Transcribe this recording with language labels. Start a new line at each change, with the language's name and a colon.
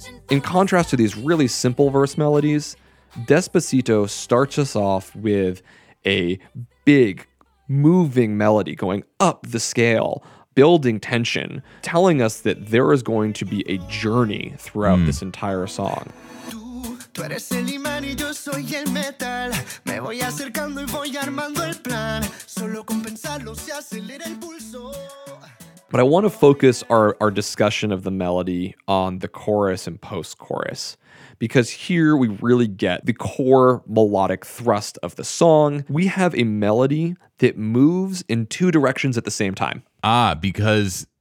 English: In contrast to these really simple verse melodies, Despacito starts us off with a big, moving melody going up the scale, building tension, telling us that there is going to be a journey throughout this entire song.
Spanish: Tú eres el imán y yo soy el metal. Me voy acercando y voy armando el plan. Solo con pensarlo se acelera el pulso.
English: But I want to focus our discussion of the melody on the chorus and post-chorus, because here we really get the core melodic thrust of the song. We have a melody that moves in two directions at the same time. Ah, because